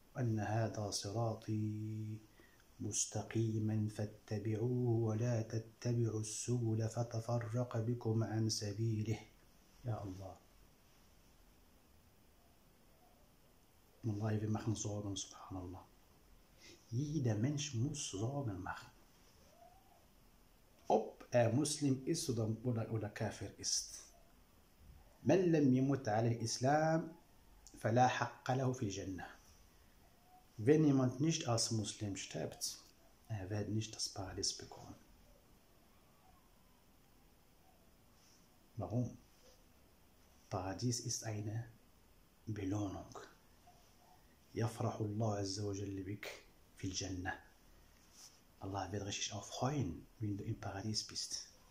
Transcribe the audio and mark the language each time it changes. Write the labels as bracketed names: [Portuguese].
[Arabic] أن هذا صراطي مستقيما فاتبعوه ولا تتبعوا السبل فتفرق بكم عن سبيله يا الله والله في مخن صورة سبحان الله [German] jeder Mensch muss Sorgen machen. Ob er Muslim ist oder Kafir ist. [Arabic] من لم يمت على الإسلام فلا حق له في الجنة. [German] Wenn jemand nicht als Muslim stirbt, er wird nicht das Paradies bekommen. Warum? Paradies ist eine Belohnung. [Arabic] Yafrahu Allah azza wa jalla bik fil Jannah. [German] Allah wird dich auch freuen, wenn du im Paradies bist.